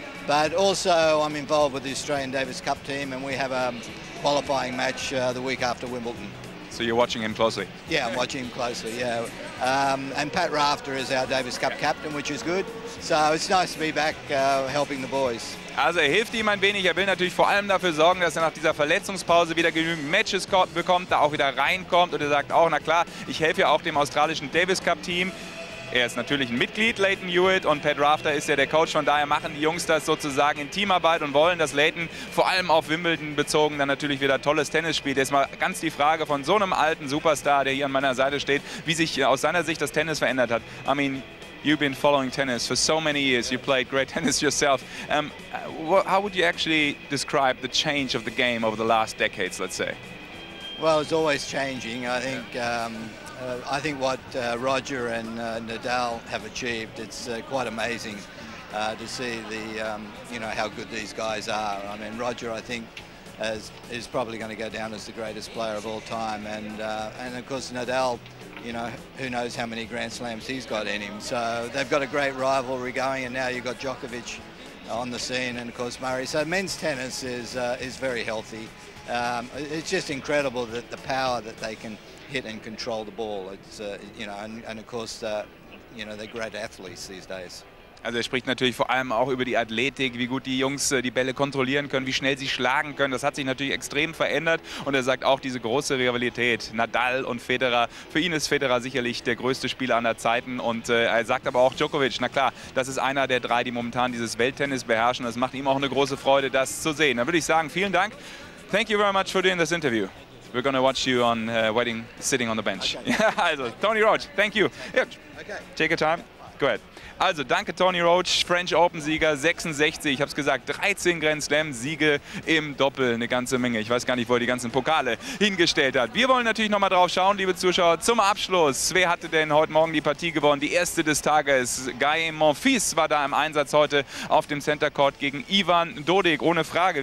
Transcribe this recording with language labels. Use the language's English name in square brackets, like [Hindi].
[English] But also, I'm involved with the Australian Davis Cup team, and we have a qualifying match the week after Wimbledon. So you're watching him closely? Yeah, I'm watching him closely, yeah. And Pat Rafter is our Davis Cup captain, which is good. So it's nice to be back helping the boys. [German] Also er hilft ihm ein wenig. Er will natürlich vor allem dafür sorgen, dass er nach dieser Verletzungspause wieder genügend Matches bekommt, da auch wieder reinkommt. Und er sagt auch, na klar, ich helfe ja auch dem australischen Davis Cup Team. Er ist natürlich ein Mitglied, Leighton Hewitt, und Pat Rafter ist ja der Coach. Von daher machen die Jungs das sozusagen in Teamarbeit und wollen, dass Leighton vor allem auf Wimbledon bezogen dann natürlich wieder tolles Tennis spielt. Jetzt mal ganz die Frage von so einem alten Superstar, der hier an meiner Seite steht, wie sich aus seiner Sicht das Tennis verändert hat. [English] I mean, you've been following tennis for so many years. You played great tennis yourself. How would you actually describe the change of the game over the last decades, let's say? Well, it's always changing, I think. I think what Roger and Nadal have achieved, it's quite amazing to see the, you know, how good these guys are. I mean, Roger, I think, is probably going to go down as the greatest player of all time. And of course, Nadal, you know, who knows how many Grand Slams he's got in him. So they've got a great rivalry going, and now you've got Djokovic on the scene and, of course, Murray. So men's tennis is very healthy. It's just incredible that the power that they can hit and control the ball. It's, you know, and of course, you know, they're great athletes these days. [German] Also er spricht natürlich vor allem auch über die Athletik, wie gut die Jungs die Bälle kontrollieren können, wie schnell sie schlagen können. Das hat sich natürlich extrem verändert. Und er sagt auch, diese große Rivalität, Nadal und Federer, für ihn ist Federer sicherlich der größte Spieler aller Zeiten. Und er sagt aber auch Djokovic, na klar, das ist einer der drei, die momentan dieses Welttennis beherrschen. Das macht ihm auch eine große Freude, das zu sehen. Dann würde ich sagen, vielen Dank. [English] Thank you very much for doing this interview. We're going to watch you on waiting, sitting on the bench. Okay. Also, Tony Roach, thank you. Yeah. Take your time. Go ahead. [German] Also, danke Tony Roach, French Open-Sieger 66. Ich habe es gesagt, 13 Grand Slam-Siege im Doppel. Eine ganze Menge. Ich weiß gar nicht, wo er die ganzen Pokale hingestellt hat. Wir wollen natürlich noch mal drauf schauen, liebe Zuschauer, zum Abschluss. Wer hatte denn heute Morgen die Partie gewonnen? Die erste des Tages. Guy Monfils war da im Einsatz heute auf dem Center Court gegen Ivan Dodig. Ohne Frage.